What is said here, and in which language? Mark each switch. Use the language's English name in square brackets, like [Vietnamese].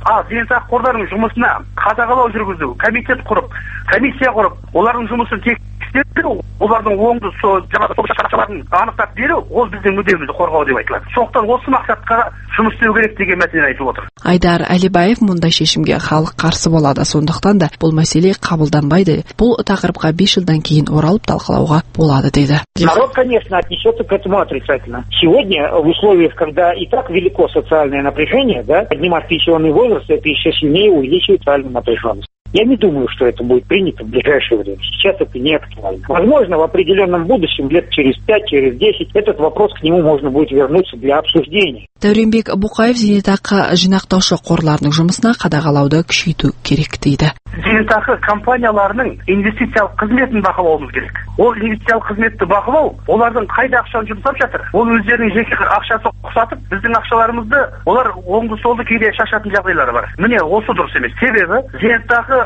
[Kazakh] Ал зейнетақы қорларының жұмысына қадағалау жүргізу, комитет құрып, комиссия құрып олардың жұмысын тек олардың оңды жаңағы анықтап беру ол біздің мүддемізді қорғау деп айтылады. Сондықтан осы мақсатқа жұмыс істеу керек деген мәселені айтып отыр. Айдар Әлібаев мұндай шешімге халық қарсы болады, сондықтан да бұл мәселе қабылданбайды. Бұл тақырыпқа 5 жылдан кейін оралып талқылауға болады деді. [Russian] Народ, конечно, отнесется к этому отрицательно. Сегодня в условиях, когда и так велико социальное напряжение, да, поднимать пенсионный возраст, это еще сильнее увеличивает социальную напряженность. Я не думаю, что это будет принято в ближайшее время. Сейчас это не актуально. Возможно, в определенном будущем, лет через 5, через 10, этот вопрос к нему можно будет вернуться для обсуждения. [Kazakh] Дәуренбек Бұқаев зейнетақы жинақтаушы қорларының жұмысына қадағалауды күшейту керек дейді. Зейнетақы компанияларының инвестициялық қызметін бақылауымыз керек. Ол инвестициялық қызметті бақылау, олардың қайда ақшаны жұмсап жатыр, ол өздерінің жеке ақшасын ұқсатып, біздің ақшаларымызды олар оңды-солды кейде шашатын жағдайлары бар. Міне, осы дұрыс емес. Себебі зейнетақы